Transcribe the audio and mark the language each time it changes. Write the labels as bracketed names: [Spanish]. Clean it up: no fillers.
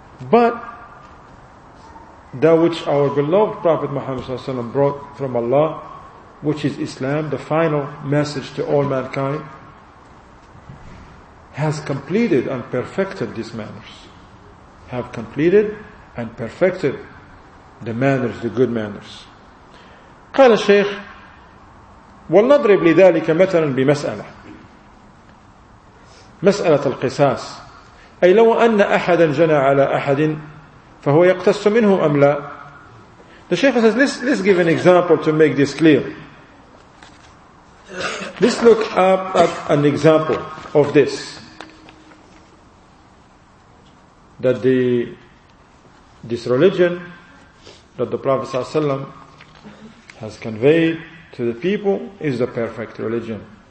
[English] But that which our beloved Prophet Muhammad sallallahu alaihi wasallam brought from Allah, which is Islam, the final message to all mankind, has completed and perfected these manners. Have completed and perfected the manners, the good manners. [Arabic] قال الشيخ ولنضرب لذلك مثلا بمسألة مسألة القصاص، أي لو أن أحدا جنى على أحد فهو يقتص منهم أم لا. [English] The Shaykh says, let's give an example to make this clear. Let's look up at an example of this, that this religion that the Prophet ﷺ has conveyed to the people is the perfect religion.